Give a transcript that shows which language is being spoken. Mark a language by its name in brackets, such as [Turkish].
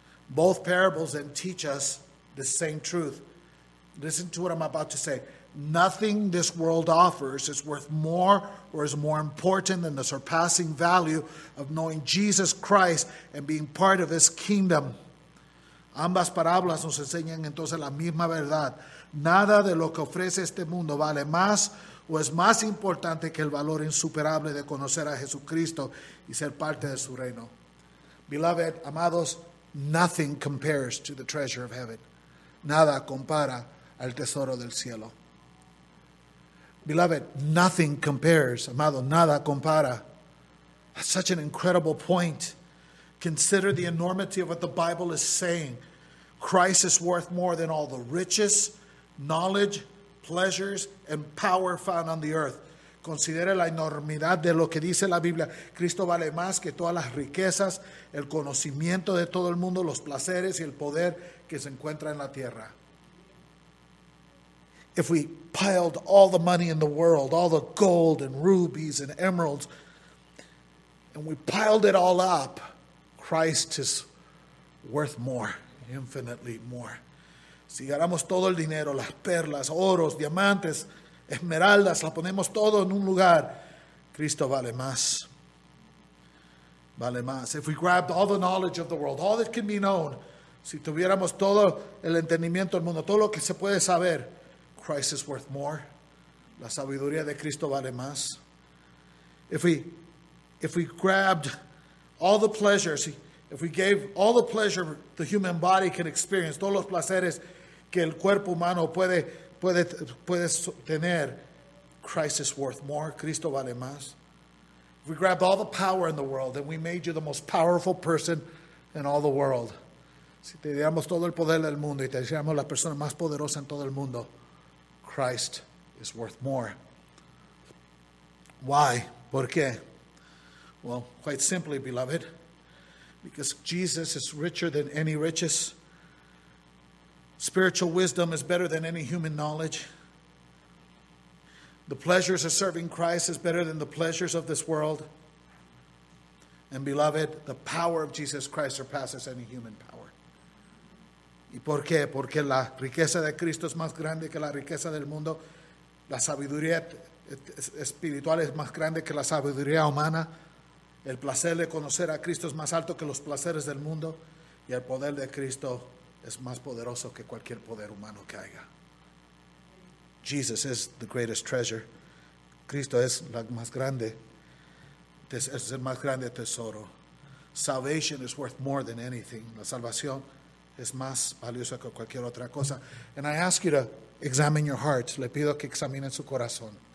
[English] Both parables then teach us the same truth. Listen to what I'm about to say. Nothing this world offers is worth more or is more important than the surpassing value of knowing Jesus Christ and being part of his kingdom. [Spanish] Ambas parábolas nos enseñan entonces la misma verdad. Nada de lo que ofrece este mundo vale más o es más importante que el valor insuperable de conocer a Jesucristo y ser parte de su reino. [English] Beloved, amados, nothing compares to the treasure of heaven. [Spanish] Nada compara al tesoro del cielo. [English] Beloved, nothing compares, [Spanish] amado, nada compara. [English] That's such an incredible point. Consider the enormity of what the Bible is saying. Christ is worth more than all the riches, knowledge, pleasures, and power found on the earth. [Spanish] Considere la enormidad de lo que dice la Biblia. Cristo vale más que todas las riquezas, el conocimiento de todo el mundo, los placeres y el poder que se encuentra en la tierra. [English] If we piled all the money in the world, all the gold and rubies and emeralds, and we piled it all up, Christ is worth more, infinitely more. [Spanish] Si agarramos todo el dinero, las perlas, oros, diamantes, esmeraldas, las ponemos todo en un lugar, Cristo vale más. Vale más. [English] If we grabbed all the knowledge of the world, all that can be known, [Spanish] si tuviéramos todo el entendimiento del mundo, todo lo que se puede saber, [English] Christ is worth more. [Spanish] La sabiduría de Cristo vale más. [English] If we grabbed all the pleasures, if we gave all the pleasure the human body can experience, [Spanish] todos los placeres que el cuerpo humano puede tener, [English] Christ is worth more. [Spanish] Cristo vale más. [English] If we grabbed all the power in the world, then we made you the most powerful person in all the world. [Spanish] Si te diéramos todo el poder del mundo y te hiciéramos la persona más poderosa en todo el mundo, [English] Christ is worth more. Why? [Spanish] ¿Por qué? [English] Well, quite simply, beloved, because Jesus is richer than any riches. Spiritual wisdom is better than any human knowledge. The pleasures of serving Christ is better than the pleasures of this world. And beloved, the power of Jesus Christ surpasses any human power. [Spanish] ¿Y por qué? Porque la riqueza de Cristo es más grande que la riqueza del mundo. La sabiduría espiritual es más grande que la sabiduría humana. El placer de conocer a Cristo es más alto que los placeres del mundo. Y el poder de Cristo es más poderoso que cualquier poder humano que haya. [English] Jesus is the greatest treasure. [Spanish] Cristo es la más grande. Es el más grande tesoro. [English] Salvation is worth more than anything. [Spanish] La salvación es más valiosa que cualquier otra cosa. [English] And I ask you to examine your hearts. [Spanish] Le pido que examinen su corazón.